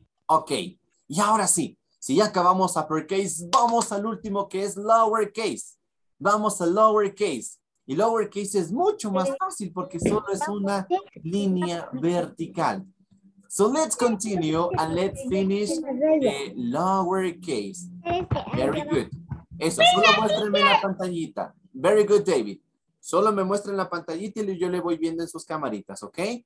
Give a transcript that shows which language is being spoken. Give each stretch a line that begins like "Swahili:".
Spanish: Ok, y ahora sí, si ya acabamos uppercase, vamos al último que es lowercase. Vamos a lowercase. Y lowercase es mucho más fácil porque solo es una línea vertical.
English: So let's continue and let's finish the lowercase. Very good.
Spanish: Eso, solo muéstrenme la pantallita.
English: Very good,
Spanish: David. Solo me muestren la pantallita y yo le voy viendo en sus camaritas, ¿ok?